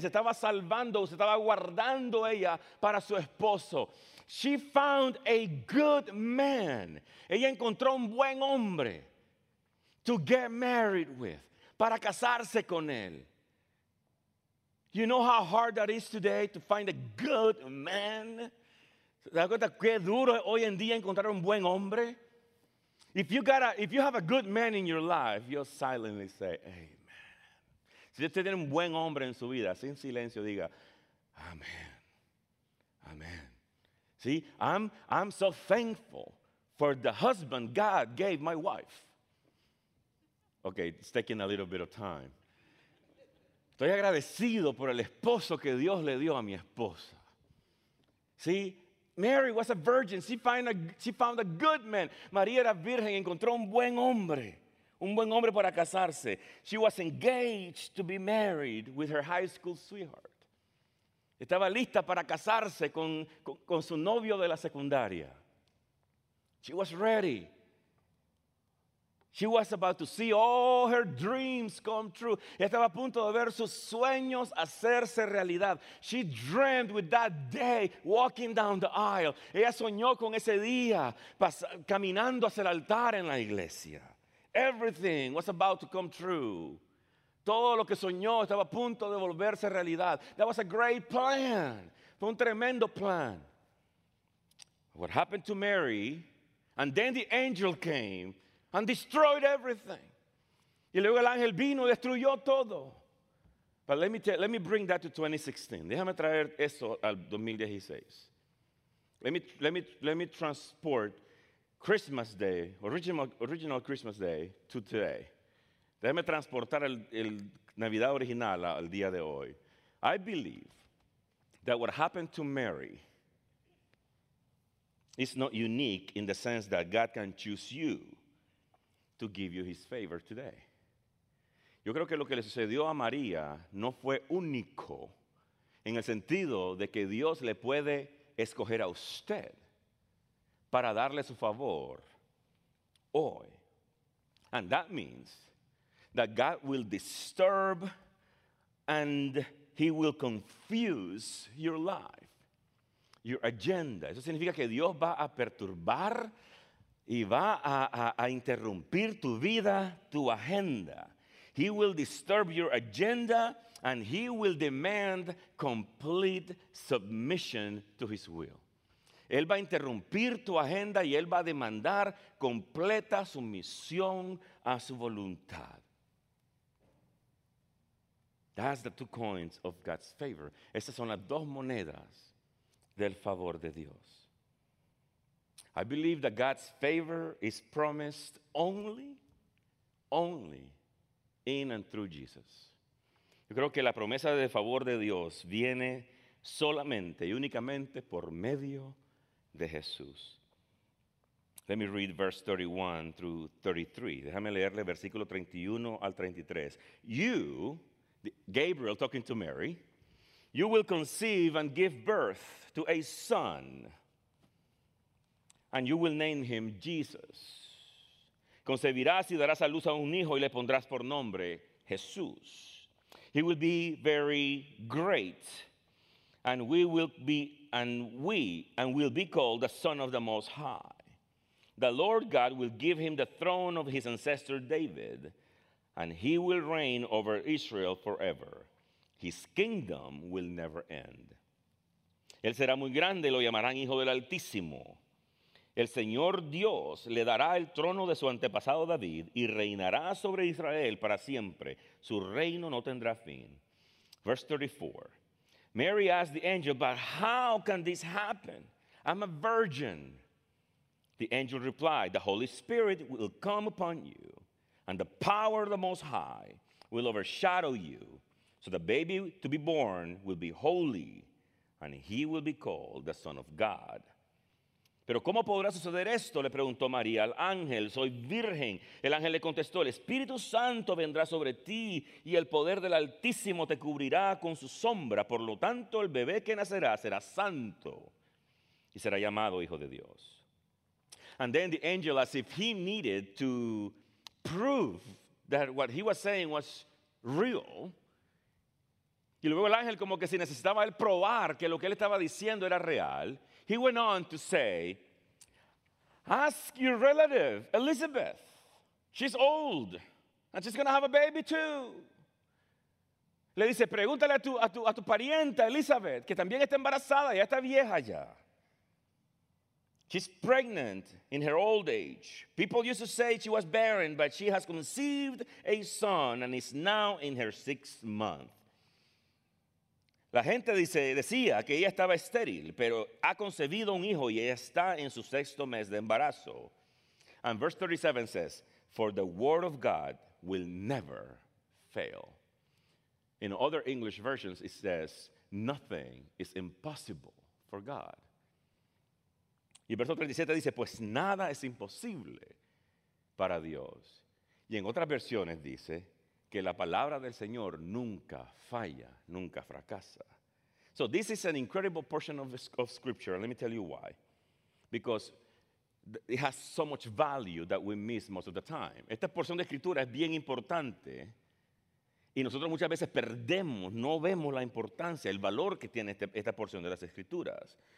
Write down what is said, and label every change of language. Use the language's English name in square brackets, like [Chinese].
[Spanish] Se estaba salvando. Se estaba guardando ella para su esposo. [English] She found a good man. [Spanish] Ella encontró un buen hombre [English] to get married with. [Spanish] Para casarse con él. [English] You know how hard that is today to find a good man? [Spanish] ¿Te das cuenta qué duro hoy en día encontrar un buen hombre? [English] If you have a good man in your life, you'll silently say, amen. [Spanish] Si usted tiene un buen hombre en su vida, sin silencio diga, amen, amen. [English] See, I'm so thankful for the husband God gave my wife. Okay, it's taking a little bit of time. [Spanish] Estoy agradecido por el esposo que Dios le dio a mi esposa. [English] See, Mary was a virgin. She found a good man. [Spanish] María era virgen, encontró un buen hombre. Un buen hombre para casarse. [English] She was engaged to be married with her high school sweetheart. [Spanish] Estaba lista para casarse con su novio de la secundaria. [English] She was ready. She was about to see all her dreams come true. [Spanish] Ella estaba a punto de ver sus sueños hacerse realidad. [English] She dreamt with that day walking down the aisle. [Spanish] Ella soñó con ese día caminando hacia el altar en la iglesia. [English] Everything was about to come true. [Spanish] Todo lo que soñó estaba a punto de volverse realidad. [English] That was a great plan. [Spanish] Fue un tremendo plan. [English] What happened to Mary? And then the angel came and destroyed everything. [Spanish] Y luego el ángel vino y destruyó todo. [English] But let me bring that to 2016. [Spanish] Déjame traer eso al 2016. [English] Let me transport Christmas Day, original Christmas Day, to today. [Spanish] Déjame transportar el Navidad original al día de hoy. [English] I believe that what happened to Mary is not unique in the sense that God can choose you to give you his favor today. [Spanish] Yo creo que lo que le sucedió a María no fue único en el sentido de que Dios le puede escoger a usted para darle su favor hoy. [English] And that means that God will disturb and he will confuse your life, your agenda. [Spanish] Eso significa que Dios va a perturbar y va a interrumpir tu vida, tu agenda. [English] He will disturb your agenda and he will demand complete submission to his will. [Spanish] Él va a interrumpir tu agenda y él va a demandar completa sumisión a su voluntad. [English] That's the two coins of God's favor. [Spanish] Esas son las dos monedas del favor de Dios. [English] I believe that God's favor is promised only in and through Jesus. [Spanish] Yo creo que la promesa de favor de Dios viene solamente y únicamente por medio de Jesús. [English] Let me read verse 31 through 33. [Spanish] Déjame leerle versículo 31 al 33. [English] You, Gabriel talking to Mary, you will conceive and give birth to a son, and you will name him Jesus. [Spanish] Concebirás y darás a luz a un hijo y le pondrás por nombre Jesús. [English] He will be very great, and will be called the Son of the Most High. The Lord God will give him the throne of his ancestor David, and he will reign over Israel forever. His kingdom will never end. [Spanish] Él será muy grande, lo llamarán Hijo del Altísimo. El Señor Dios le dará el trono de su antepasado David y reinará sobre Israel para siempre. Su reino no tendrá fin. [English] Verse 34. Mary asked the angel, "But how can this happen? I'm a virgin." The angel replied, "The Holy Spirit will come upon you, and the power of the Most High will overshadow you. So the baby to be born will be holy, and he will be called the Son of God." [Spanish] Pero ¿cómo podrá suceder esto? Le preguntó María al ángel. Soy virgen. El ángel le contestó, el Espíritu Santo vendrá sobre ti y el poder del Altísimo te cubrirá con su sombra. Por lo tanto, el bebé que nacerá será santo y será llamado Hijo de Dios. [English] And then the angel, as if he needed to prove that what he was saying was real. [Spanish] Y luego el ángel como que si necesitaba él probar que lo que él estaba diciendo era real. [English] He went on to say, ask your relative, Elizabeth. She's old, and she's going to have a baby too. [Spanish] Le dice, pregúntale a tu parienta, Elizabeth, que también está embarazada, ya está vieja ya. [English] She's pregnant in her old age. People used to say she was barren, but she has conceived a son and is now in her sixth month. [Spanish] La gente decía que ella estaba estéril, pero ha concebido un hijo y ella está en su sexto mes de embarazo. [English] And verse 37 says, for the word of God will never fail. In other English versions, it says, nothing is impossible for God. [Spanish] Y verso 37 dice, pues nada es imposible para Dios. Y en otras versiones dice, que la palabra del Señor nunca falla, nunca fracasa. [English] So this is an incredible portion of Scripture. Let me tell you why. Because it has so much value that we miss most of the time. [Spanish] Esta porción de Escritura es bien importante. Y nosotros muchas veces perdemos, no vemos la importancia, el valor que tiene esta porción de las Escrituras.